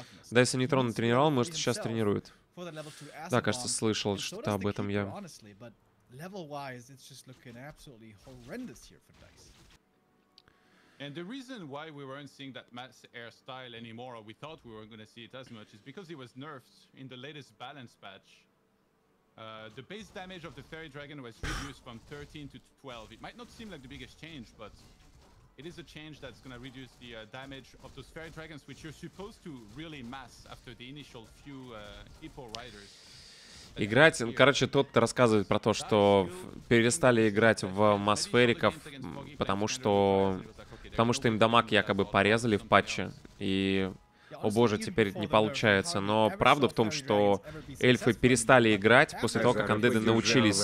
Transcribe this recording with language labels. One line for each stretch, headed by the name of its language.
Russian: Дайса Нейтрона тренировал, может, сейчас тренирует. Да, кажется, слышал что-то об этом я.
English: The base damage of the Fairy Dragon was reduced from 13 to 12. It might not seem like the biggest change, but... It is a change that's going to reduce the damage of those fairy dragons, which you're supposed to really mass after the initial few hippo riders.
Russian: Играть, короче, тот рассказывает про то, что перестали играть в масс фериков, потому что им дамаг якобы порезали в патче, и, о боже, теперь не получается. Но правда в том, что эльфы перестали играть после того, как андеды научились.